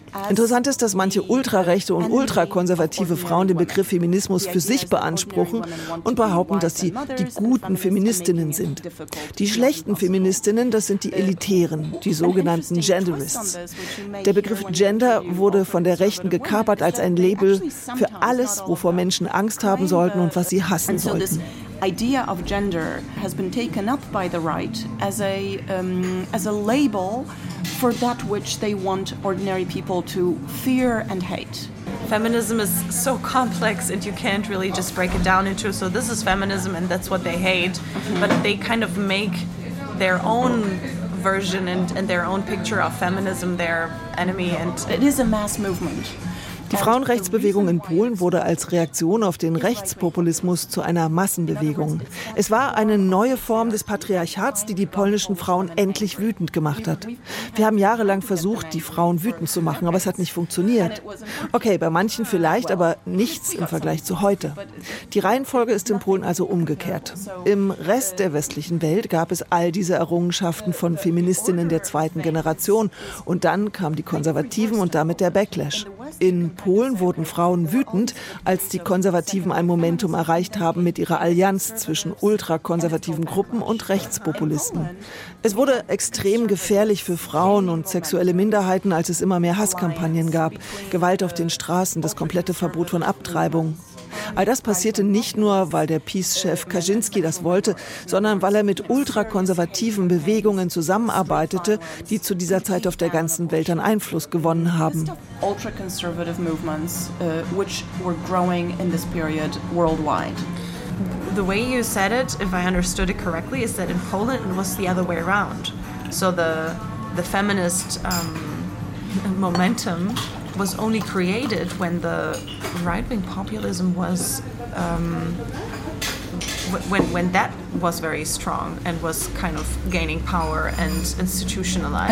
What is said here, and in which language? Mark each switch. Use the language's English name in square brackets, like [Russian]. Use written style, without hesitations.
[German] Interessant ist, dass manche ultrarechte und ultrakonservative Frauen den Begriff Feminismus für sich beanspruchen und behaupten, dass sie die guten Feministinnen sind. Die schlechten Feministinnen, das sind die Elitären, die sogenannten Genderists. Der Begriff Gender wurde von der Rechten gekapert als ein Label für alles, wovor Menschen Angst haben sollten und was sie hassen sollten. [English] Idea of gender has been taken up by the right as a label for that which they want ordinary people to fear and hate. Feminism is so complex and you can't really just break it down into so this is feminism and that's what they hate. Mm-hmm. But they kind of make their own version and their own picture of feminism their enemy, and it is a mass movement. [German] Die Frauenrechtsbewegung in Polen wurde als Reaktion auf den Rechtspopulismus zu einer Massenbewegung. Es war eine neue Form des Patriarchats, die die polnischen Frauen endlich wütend gemacht hat. Wir haben jahrelang versucht, die Frauen wütend zu machen, aber es hat nicht funktioniert. Okay, bei manchen vielleicht, aber nichts im Vergleich zu heute. Die Reihenfolge ist in Polen also umgekehrt. Im Rest der westlichen Welt gab es all diese Errungenschaften von Feministinnen der zweiten Generation. Und dann kamen die Konservativen und damit der Backlash. In Polen wurden Frauen wütend, als die Konservativen ein Momentum erreicht haben mit ihrer Allianz zwischen ultrakonservativen Gruppen und Rechtspopulisten. Es wurde extrem gefährlich für Frauen und sexuelle Minderheiten, als es immer mehr Hasskampagnen gab, Gewalt auf den Straßen, das komplette Verbot von Abtreibung. All das passierte nicht nur, weil der Peace-Chef Kaczynski das wollte, sondern weil er mit ultrakonservativen Bewegungen zusammenarbeitete, die zu dieser Zeit auf der ganzen Welt an Einfluss gewonnen haben. [English] Ultra-conservative movements, which were growing in this period worldwide. The way you said it, if I understood it correctly, is that in Poland it was the other way around. So the feminist momentum was only created when the right-wing populism was when that was very strong and was kind of gaining power and institutionalized